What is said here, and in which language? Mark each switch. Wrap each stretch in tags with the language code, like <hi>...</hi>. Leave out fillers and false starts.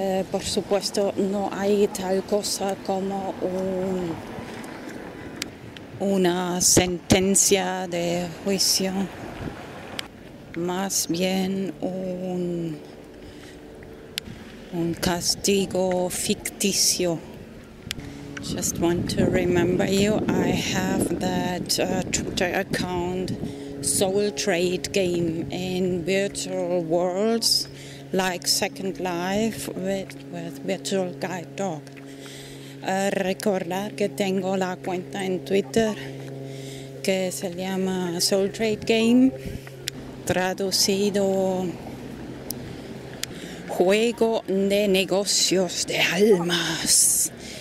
<es>Por supuesto, no hay tal cosa como una sentencia de juicio, más bien un castigo ficticio.</es> <en>Just want to remember you, I have that Twitter account Soul Trade Game in virtual worlds like Second Life with Virtual Guide Dog.</en> <es>Recordar que tengo la cuenta en Twitter que se llama Soul Trade Game, traducido juego de negocios de almas.</es>